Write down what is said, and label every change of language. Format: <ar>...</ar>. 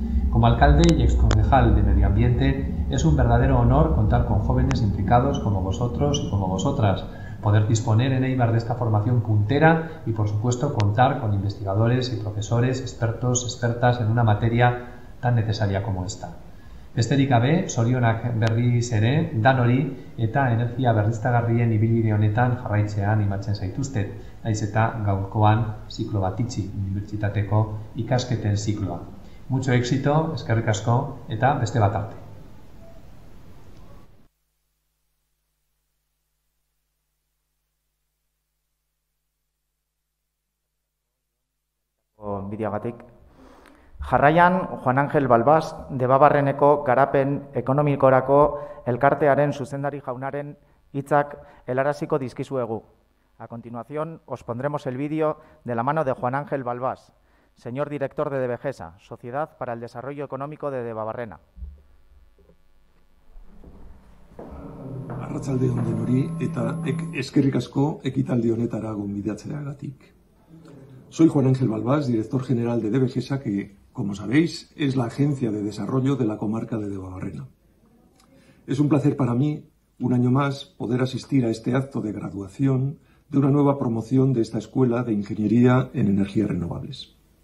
<es>Como alcalde y exconcejal de Medio Ambiente, es un verdadero honor contar con jóvenes implicados como vosotros y como vosotras, poder disponer en Eibar de esta formación puntera y, por supuesto, contar con investigadores y profesores, expertos, expertas en una materia tan necesaria como esta.</es> <eu>Besterik gabe, zorionak berriz ere, danori eta energia berriztagarrien ibilbide honetan jarraitzean imatzen zaituztet, naiz eta gaurkoan ziklo bat itxi, unibertsitateko ikasketen zikloa.</eu> <es>Mucho éxito,</es> <eu>eskerrik asko eta beste bat arte. Bideagatik. Jarraian, Juan Ángel Balbás, Debabarreneko garapen ekonomikorako elkartearen zuzendari jaunaren hitzak helaraziko dizkizuegu.</eu> <es>A continuación, os pondremos el vídeo de la mano de Juan Ángel Balbás, señor director de Debegesa, Sociedad para el Desarrollo Económico de Debabarrena.</es> <eu>Arratsalde on denori eta eskerrik asko ekitaldi honetara gonbidatzeagatik.</eu> <es>Soy Juan Ángel Balbás, director general de DBGESA, que, como sabéis, es la agencia de desarrollo de la comarca de Debabarrena. Es un placer para mí, un año más, poder asistir a este acto de graduación de una nueva promoción de esta Escuela de Ingeniería en Energías Renovables.</es>